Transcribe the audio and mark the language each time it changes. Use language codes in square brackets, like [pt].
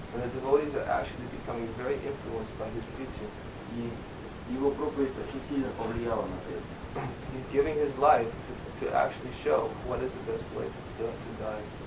[en] And the devotees are actually becoming very influenced by his preaching. [ru] И его проповедь очень сильно повлияла на это. [en] He's giving his life to actually show what is the best way to die.